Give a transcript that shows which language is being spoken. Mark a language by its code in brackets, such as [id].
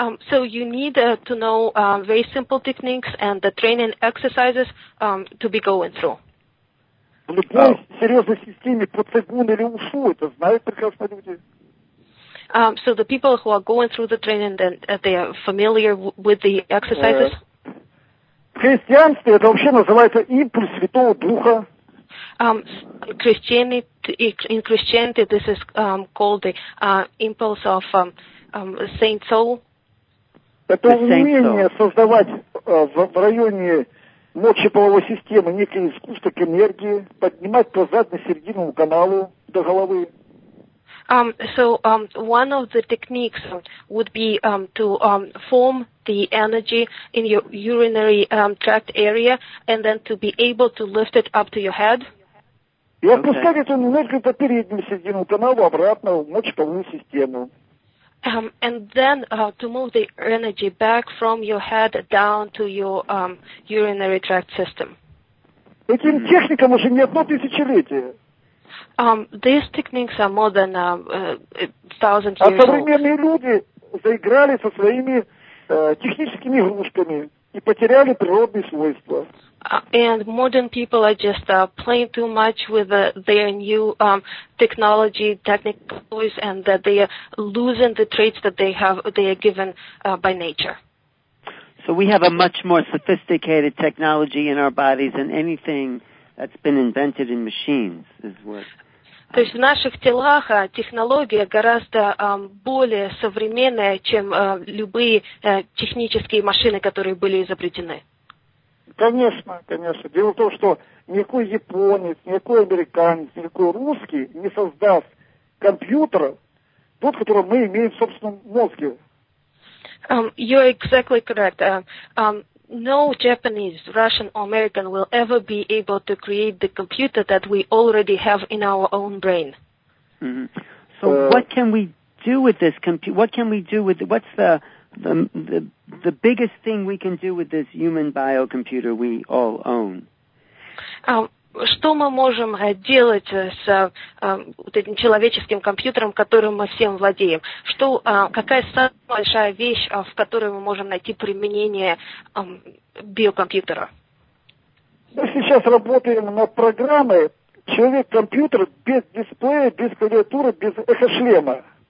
[en] So you need to know very simple techniques and the training exercises to be going through. [ru] В любой серьезной системе по цигун или ушу, это знают прекрасно люди. [en] So the people who are going through the training, then they are familiar with the exercises. [ru] В христианстве это вообще называется импульс Святого Духа. [en] In Christianity, this is called the impulse of Saint Soul. [ru] Это умение создавать в районе мочеполовой системы некий сгусток энергии, поднимать прозрак на середину каналу до головы. [en] One of the techniques would be to form the energy in your urinary tract area and then to be able to lift it up to your head. [ru] И отпускать эту энергию по переднему середину каналу обратно в мочеполовую систему. [en] And then to move the energy back from your head down to your urinary tract system. [ru] Этим техникам уже не одно тысячелетие. [en] These techniques are more than 1,000 years old. [ru] А современные люди заиграли со своими техническими игрушками и потеряли природные свойства. [en] And modern people are just playing too much with their new technology, technical toys, and that they are losing the traits that they are given by nature. So we have a much more sophisticated technology in our bodies than anything that's been invented in machines is what. [ru] То есть в наших телах технология гораздо более современная, чем любые технические машины, которые были изобретены. Конечно, конечно. Дело в том, что никакой японец, никакой американец, никакой русский не создаст компьютер, тот, который мы имеем в собственном мозге. [en] You're exactly correct. No Japanese, Russian, or American will ever be able to create the computer that we already have in our own brain. Mm-hmm. So what can we do with this computer? What can we do with it? What's the biggest thing we can do with this human biocomputer we all own? [ru] Что мы можем делать с вот этим человеческим компьютером, которым мы всем владеем? Что, какая самая большая вещь, в которой мы можем найти применение биокомпьютера? Мы сейчас работаем над программой «Человек-компьютер без дисплея, без клавиатуры, без эхо-шлема».